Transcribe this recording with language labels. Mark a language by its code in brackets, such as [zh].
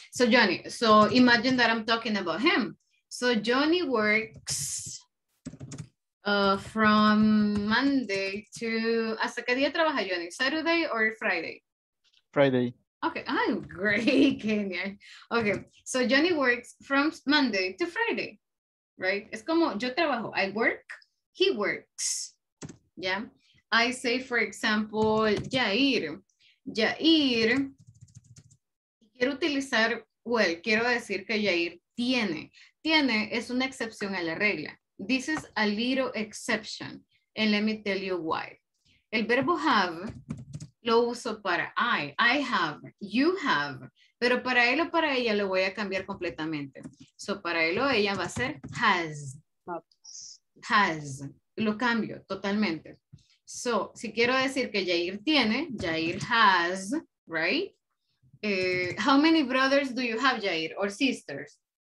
[en] So Johnny, so imagine that I'm talking about him. So Johnny works from Monday to, [es] ¿hasta qué día trabaja Johnny? [en] Saturday or Friday? Friday. Okay, I'm great, Kenya. Okay, so Johnny works from Monday to Friday, right? [es] Es como yo trabajo, [en] I work, he works, yeah? I say, for example, Jair. [es] Jair, quiero utilizar, well, quiero decir que Jair tiene. Tiene es una excepción a la regla. [en] This is a little exception, and let me tell you why. [es] El verbo have lo uso para I have, you have, pero para él o para ella lo voy a cambiar completamente. So para él o ella va a ser has, lo cambio totalmente. So si quiero decir que Jair tiene, [en] Jair has, [es] right? [en] How many brothers do you have, Jair, or sisters?